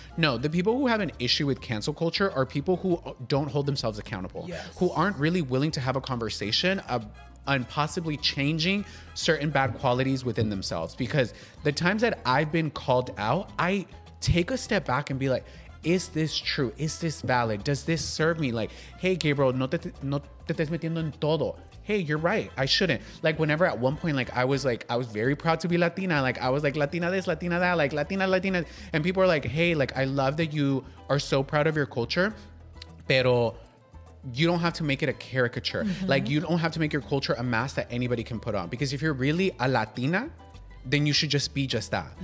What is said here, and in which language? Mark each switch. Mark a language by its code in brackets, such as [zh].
[en] No, the people who have an issue with cancel culture are people who don't hold themselves accountable, yes. who aren't really willing to have a conversation and possibly changing certain bad qualities within themselves. Because the times that I've been called out, I take a step back and be like, is this true? Is this valid? Does this serve me? Like, hey, [es] Gabriel, no te estés metiendo en todo. [en] Hey, you're right. I shouldn't. Like, whenever at one point, like, I was like, I was very proud to be Latina. Like, I was like, Latina this, Latina that, like, Latina, Latina. And people are like, hey, like, I love that you are so proud of your culture. pero you don't have to make it a caricature. Mm-hmm. Like, you don't have to make your culture a mask that anybody can put on. Because if you're really a Latina, then you should just be just that.